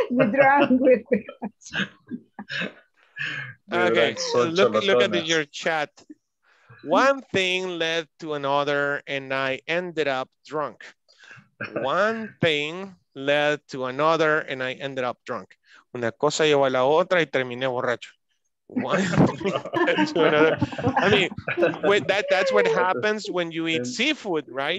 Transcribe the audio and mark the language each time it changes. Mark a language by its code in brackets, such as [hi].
[en] We drank with. Okay, so look at your chat. One thing led to another and I ended up drunk. One thing led to another and I ended up drunk. [es] Una cosa llevó a la otra y terminé borracho. [en] I mean, that's what happens when you eat seafood, right?